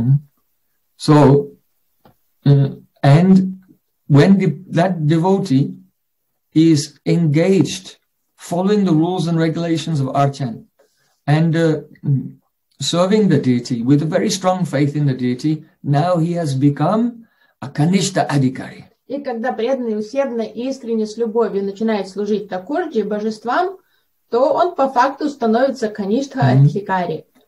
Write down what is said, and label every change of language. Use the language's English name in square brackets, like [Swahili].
[English] Mm-hmm. So and when that devotee is engaged following the rules and regulations of Archan and serving the deity with a very strong faith in the deity, now he has become a Kanishtha Adhikari. [Russian] И когда преданный усердно, искренне, с любовью начинает служить Такурджи, божествам, то он по факту становится Kanishtha Adhikari.